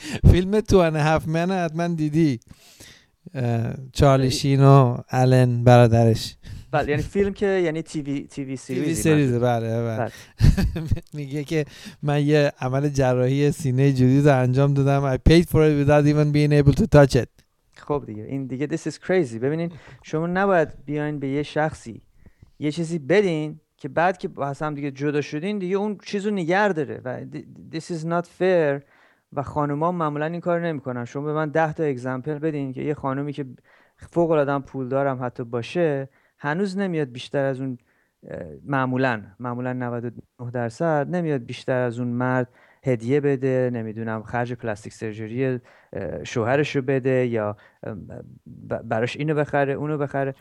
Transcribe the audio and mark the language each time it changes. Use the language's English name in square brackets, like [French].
[Persian] فیلم تو ان هاف من حتما دیدی، چارلی شین و آلن برادرش. بله، یعنی فیلم که یعنی تی وی سریز. بله بله. میگه که من یه عمل جراحی سینه جدید رو انجام دادم. [English] I paid for it without even being able to touch it. [Persian] خب دیگه این دیگه [English] this is crazy. [Persian] ببینین شما نباید بیاین به یه شخصی یه چیزی بدین که بعد که با هم دیگه جدا شدین دیگه اون چیزو نگه داره و [English] this is not fair. [Persian] و خانوما معمولا این کار نمی کنن. شما به من 10 تا اگزمپل بدین که یه خانومی که فوق العاده پول دارم حتی باشه، هنوز نمیاد بیشتر از اون، معمولا 99% نمیاد بیشتر از اون مرد هدیه بده، نمیدونم خرج پلاستیک سرجری شوهرش رو بده یا براش اینو بخره اونو بخره.